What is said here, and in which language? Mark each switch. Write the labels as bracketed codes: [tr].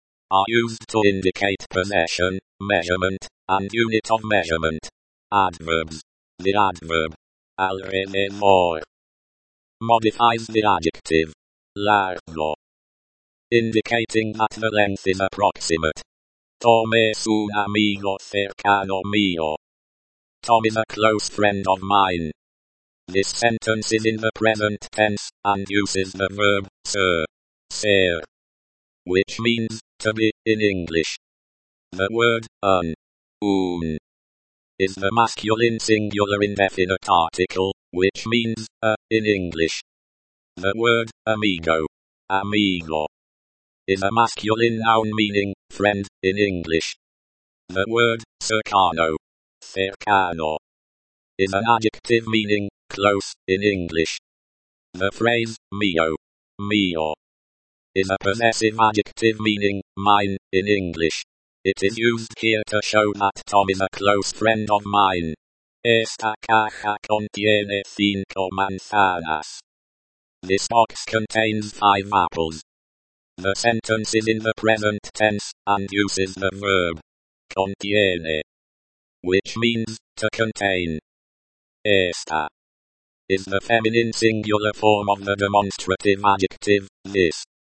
[en] Are used to indicate possession, measurement, and unit of measurement. Adverbs. The adverb. Alrededor. Modifies the adjective. Largo. Indicating that the length is approximate. [es] Tom es un amigo cercano mío. [en] Tom is a close friend of mine. This sentence is in the present tense and uses the verb ser, ser, which means to be in English. The word un, un, is the masculine singular indefinite article, which means a in English. The word amigo, amigo, is a masculine noun meaning friend in English. The word cercano, cercano, is an adjective meaning close in English. The phrase mío, mío, is a possessive adjective meaning mine in English. It is used here to show that Tom is a close friend of mine. [es] Esta caja contiene 5 manzanas. [en] This box contains 5 apples. The sentence is in the present tense and uses the verb contiene, which means to contain. Esta is the feminine singular form of the demonstrative adjective this.